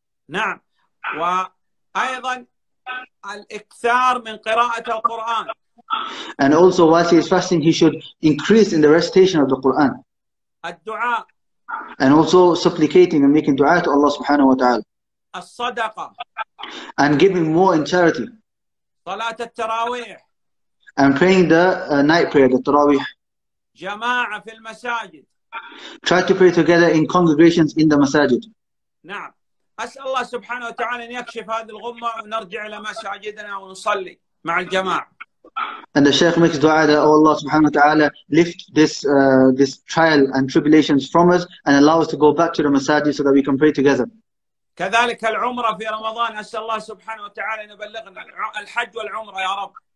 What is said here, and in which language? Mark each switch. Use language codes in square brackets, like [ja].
[ar] نعم وأيضا الإكثار من قراءة القرآن. [en] And also while he is fasting he should increase in the recitation of the Quran. [ar] الدعاء. [en] And also supplicating and making dua to Allah subhanahu wa ta'ala. [ar] الصدقة. [en] And giving more in charity. [ar] صلاة التراويح. [en] And praying the night prayer, the tarawih. [ar] جماعة في المساجد. [en] Try to pray together in congregations in the masajid. [ar] نعم. أسأل الله سبحانه وتعالى أن يكشف هذه الغمة ونرجع إلى مساجدنا ونصلي مع الجماعة. [en] And the Shaykh makes dua that oh Allah subhanahu wa ta'ala lift this trial and tribulations from us and allow us to go back to the masajid so that we can pray together. [ar] كذلك العمرة في رمضان أسأل الله سبحانه وتعالى أن يبلغنا الحج والعمرة يا رب.